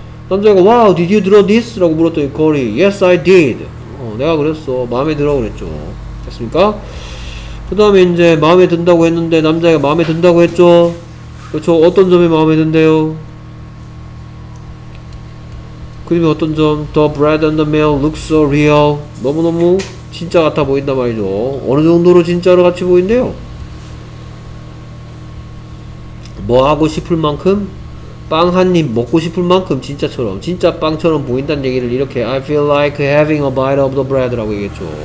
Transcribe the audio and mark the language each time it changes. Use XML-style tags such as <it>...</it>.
<ko>남자가 와우</ko> <en>did you draw this?</en> <ko>라고 물었더니 거리</ko> <en>yes I did.</en> <ko>내가 그랬어 마음에 들어 그랬죠. 됐습니까? 그 다음에 이제 마음에 든다고 했는데 남자가 마음에 든다고 했죠. 그렇죠. 어떤 점이 마음에 든대요? 그림의 어떤 점?</ko> <en>The bread and the milk looks so real.</en> <ko>너무너무 진짜 같아 보인단 말이죠. 어느 정도로 진짜로 같이 보인대요? 뭐 하고 싶을 만큼? 빵 한 입 먹고 싶을 만큼 진짜처럼 진짜 빵처럼 보인다는 얘기를 이렇게</ko> <en>I feel like having a bite of the bread</en> <ko>라고 얘기했죠.</ko>